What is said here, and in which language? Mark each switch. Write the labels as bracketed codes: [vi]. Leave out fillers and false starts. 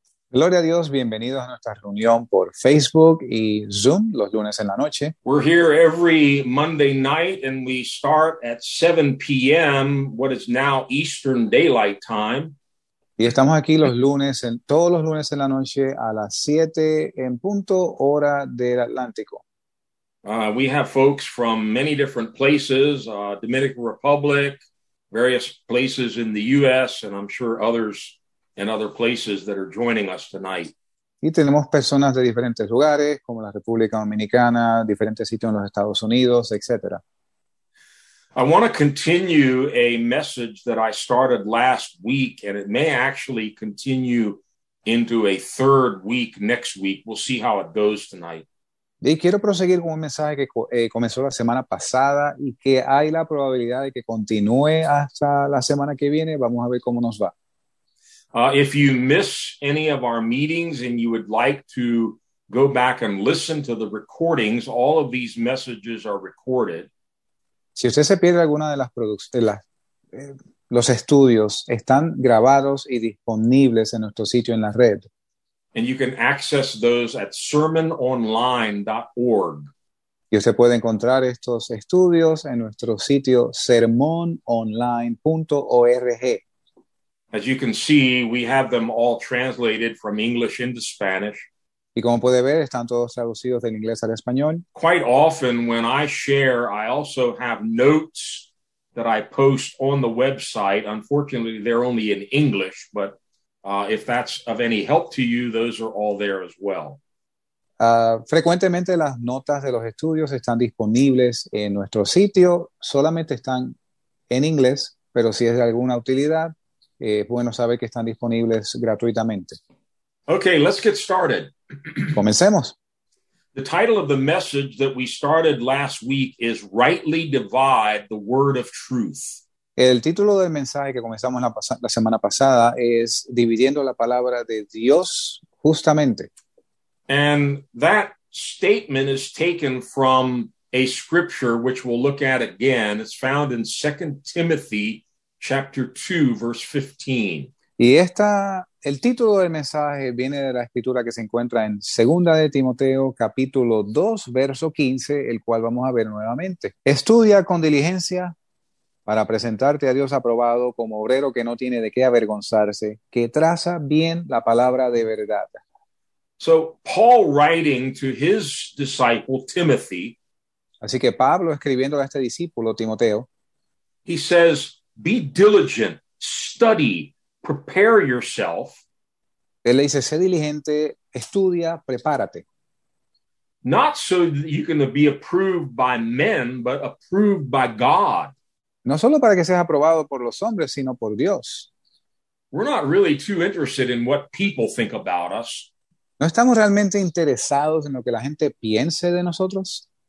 [es] Gloria a Dios, bienvenidos a nuestra reunión por Facebook y Zoom los lunes en la noche. [en] We're here every Monday night and we start at 7 p.m., what is now Eastern Daylight Time. [es] Y estamos aquí los lunes, todos los lunes en la noche a las 7 en punto hora del Atlántico. [en] We have folks from many different places, Dominican Republic, various places in the U.S., and I'm sure others in other places that are joining us tonight. [es] Y tenemos personas de diferentes lugares, como la República Dominicana, diferentes sitios en los Estados Unidos, etc. [en] I want to continue a message that I started last week, and it may actually continue into a third week next week. We'll see how it goes tonight. [es] Y quiero proseguir con un mensaje que comenzó la semana pasada y que hay la probabilidad de que continúe hasta la semana que viene. Vamos a ver cómo nos va. [en] If you miss any of our meetings and you would like to go back and listen to the recordings, all of these messages are recorded. [es] Si usted se pierde alguna de las los estudios, están grabados y disponibles en nuestro sitio en la red. [en] And you can access those at sermononline.org. [es] Y usted puede encontrar estos estudios en nuestro sitio sermononline.org. [en] As you can see, we have them all translated from English into Spanish. [es] Y como puede ver, están todos traducidos del inglés al español. [en] Quite often when I share, I also have notes that I post on the website. Unfortunately, they're only in English, but if that's of any help to you, those are all there as well. [es] Frecuentemente las notas de los estudios están disponibles en nuestro sitio. Solamente están en inglés, pero si es de alguna utilidad, bueno saber que están disponibles gratuitamente. [en] Okay, let's get started. [es] Comencemos. [en] The title of the message that we started last week is Rightly Divide the Word of Truth. [es] El título del mensaje que comenzamos la semana pasada es Dividiendo la Palabra de Dios Justamente. [en] And that statement is taken from a scripture which we'll look at again. It's found in 2 Timothy chapter 2, verse 15. [es] Y el título del mensaje viene de la escritura que se encuentra en 2 de Timoteo, capítulo 2, verso 15, el cual vamos a ver nuevamente. Estudia con diligencia para presentarte a Dios aprobado como obrero que no tiene de qué avergonzarse, que traza bien la palabra de verdad. [en] So, Paul writing to his disciple Timothy, [es] así que Pablo escribiendo a este discípulo Timoteo, [en] he says, be diligent, study, prepare yourself. [es] Él le dice, sé diligente, estudia, prepárate. [en] Not so that you can be approved by men, but approved by God. [es] No solo para que seas aprobado por los hombres, sino por Dios. [en] We're not really too interested in what people think about us. [es] No estamos realmente interesados en lo que la gente piense de nosotros.